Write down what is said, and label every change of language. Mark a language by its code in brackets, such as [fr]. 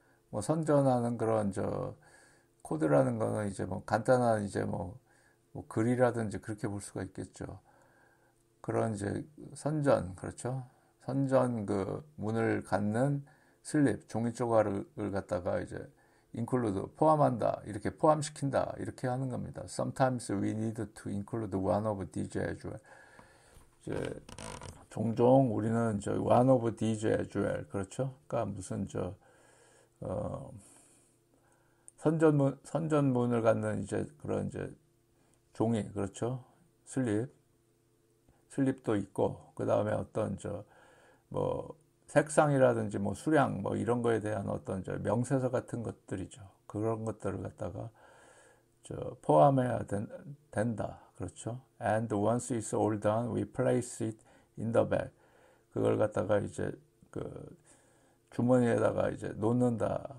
[ko] 뭐 선전하는 그런 저 코드라는 거는 이제 뭐 간단한 이제 뭐 글이라든지 그렇게 볼 수가 있겠죠. 그런 이제 선전, 그렇죠? 선전 그 문을 갖는 슬립, 종이 조각을 갖다가 이제 include, 포함한다, 이렇게 포함시킨다, 이렇게 하는 겁니다. [en] Sometimes we need to include one of these as well. [ko] 이제 종종 우리는 저 [en] one of these as well, [ko] 그렇죠? 그러니까 무슨 저 선전문을 갖는 이제 그런 이제 종이, 그렇죠? 슬립도 있고, 그 다음에 어떤 저 뭐 색상이라든지 뭐 수량 뭐 이런 거에 대한 어떤 저 명세서 같은 것들이죠. 그런 것들을 갖다가 저 포함해야 된다, 그렇죠? [en] And once it's all done, we place it in the bag. [ko] 그걸 갖다가 이제 그 주머니에다가 이제 놓는다.